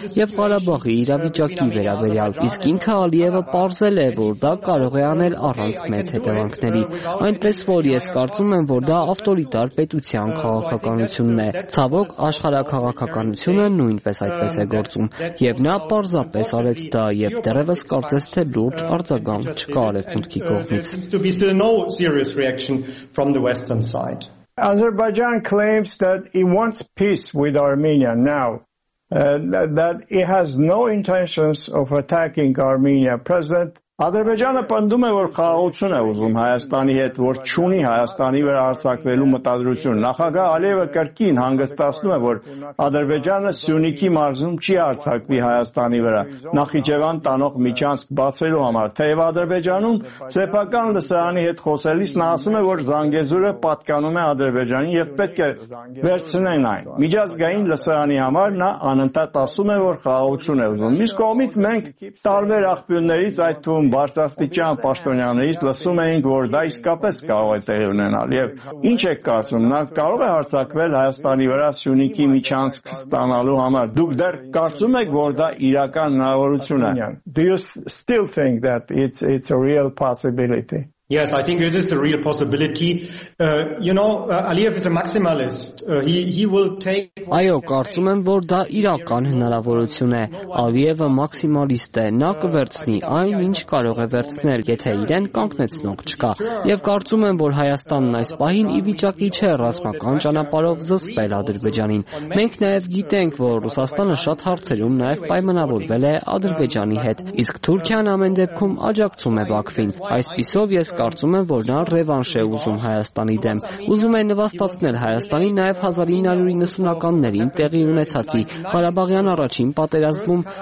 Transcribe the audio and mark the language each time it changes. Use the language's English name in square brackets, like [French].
[Armenian] եւ Ղարաբաղի իրավիճակի վերաբերյալ։ Իսկ ինքը Ալիևը պարզել է, որ դա կարող է անել առանց մեծ հետևանքների։ Այնպես որ ես կարծում եմ, որ դա ավտորիտար պետության քաղաքականությունն է։ Ցավոք, աշխարհակաղաքականությունը նույնպես այդպես է գործում, եւ նա պարզապես արել տա եւ դեռևս կարծես թե լուրջ արձագանք չկա արևմուտքի կողմից։ [English] Azerbaijan claims that it wants peace with Armenia now, that it has no intentions of attacking Armenia present. [Armenian] Ադրբեջանը պնդում է, որ խաղաղություն է ուզում Հայաստանի հետ, որ չունի Հայաստանի վրա արձակվելու մտադրություն։ Նախագահ Ալիևը կրկին հանգստացնում է, որ Ադրբեջանը Սյունիքի մարզում չի արձակվի Հայաստանի վրա Նախիջևան տանող միջանցք բացելու համար։ Թեև Ադրբեջանում ցեփական լսարանի հետ խոսելիս նա ասում է, որ Զանգեզուրը պատկանում է Ադրբեջանին եւ պետք է վերցնեն այն։ Միջազգային լսարանի համար նա անընդհատ ասում է, որ խաղաղություն է ուզում։ Մի կողմից մենք տարբեր աղբյուրներից այդ ում բարձրաստիճան պաշտոնյաներից լսում էինք, որ դա իսկապես կարող է տեղի ունենալ, եւ ի՞նչ եք կարծում, նա կարող է հարձակվել Հայաստանի վրա Սյունիքի միջանցք ստանալու համար։ Դուք դեռ կարծում եք, որ դա իրական հնարավորություն է։ [English] Do you still think that it's a real possibility? Yes, I think it is a real possibility. Aliyev is a maximalist. He will take. [Armenian] Այո, կարծում եմ, որ դա իրական հնարավորություն է։ Ալիևը մաքսիմալիստ է, նա կվերցնի այն, ինչ կարող է վերցնել, եթե իրեն կանգնեցնող չկա։ Եվ կարծում եմ, որ Հայաստանն այս պահին ի վիճակի չէ ռազմական ճանապարհով զսպել Ադրբեջանին։ Մենք նաև գիտենք, որ Ռուսաստանը շատ հարցերում նաև պայմանավորվել է Ադրբեջանի հետ, իսկ Թուրքիան ամեն դեպքում աջակցում է Բաքվին։ Այսպիսով ես կարծում եմ, որ նա ռևանշ է ուզում Հայաստանի դեմ։ Ուզում է նվաստացնել Հայաստանի նաև 1990-ականներին տեղի ունեցածի Ղարաբաղյան առաջին պատերազմում